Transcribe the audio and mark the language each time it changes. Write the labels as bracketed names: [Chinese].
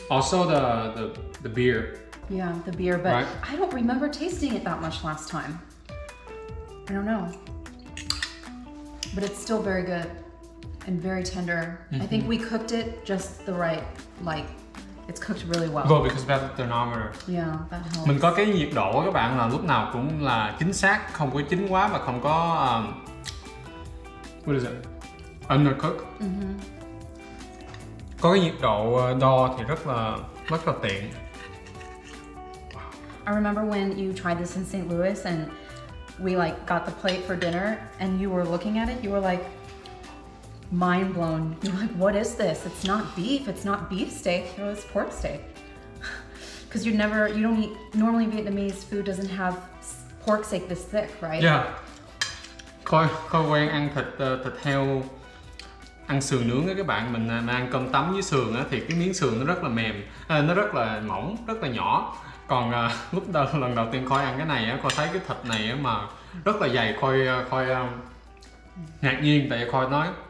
[English] Also the beer. Yeah, the beer, but I don't remember tasting it that much last time. I don't know. But it's still very good. And very tender. Mm-hmm. I think we cooked it just the right, like, it's cooked really well. Well, because we have the thermometer. Yeah, that helps. [Vietnamese] Mình có cái nhiệt độ các bạn là lúc nào cũng là chính xác, không có chín quá mà không có, [English] what is it? Undercooked. Mm-hmm. [Vietnamese] Có cái nhiệt độ đo thì rất là tiện. [English] I remember when you tried this in St. Louis and we like got the plate for dinner and you were looking at it, you were like, mind blown. You're like, what is this? It's not beef. It's not beef steak. No, it's pork steak. Because normally Vietnamese food doesn't have pork steak this thick, right? Yeah. [Vietnamese] Có quen ăn thịt heo, ăn sườn nướng á các bạn. Mình ăn cơm tấm với sườn á thì cái miếng sườn nó rất là mềm, nó rất là mỏng, rất là nhỏ. Còn lúc đầu lần đầu tiên coi ăn cái này á, coi thấy cái thịt này á mà rất là dày, coi ngạc nhiên tại coi nói.